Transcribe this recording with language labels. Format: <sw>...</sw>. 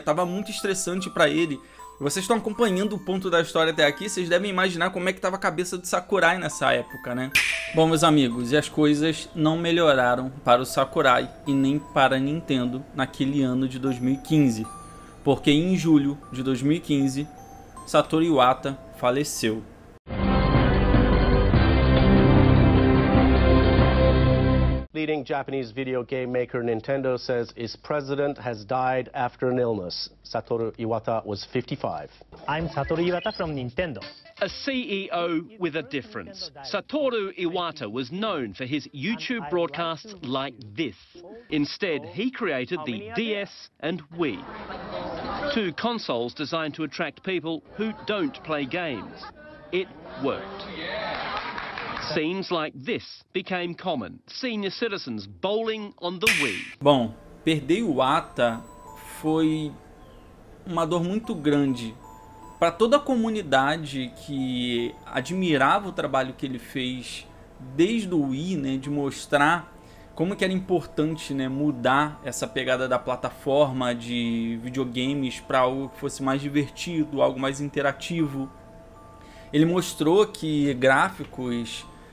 <pt>Tava muito estressante para ele. Vocês estão acompanhando o ponto da história até aqui, vocês devem imaginar como é que tava a cabeça do Sakurai nessa época, né? Bom, meus amigos, e as coisas não melhoraram para o Sakurai e nem para a Nintendo naquele ano de 2015. Porque em julho de 2015, Satoru Iwata faleceu.</pt> <en>Leading Japanese video game maker Nintendo says its president has died after an illness. Satoru Iwata was 55. I'm Satoru Iwata from Nintendo. A CEO with a difference. Satoru Iwata was known for his YouTube broadcasts like this. Instead, he created the DS and Wii, two consoles designed to attract people who don't play games. It worked. Scenes like this became common. Senior citizens bowling on the Wii.</en> <pt>Bom, perder o Iwata foi uma dor muito grande para toda a comunidade que admirava o trabalho que ele fez desde o Wii, né, de mostrar como que era importante, né, mudar essa pegada da plataforma de videogames para algo que fosse mais divertido, algo mais interativo. Ele mostrou que gráficos</pt>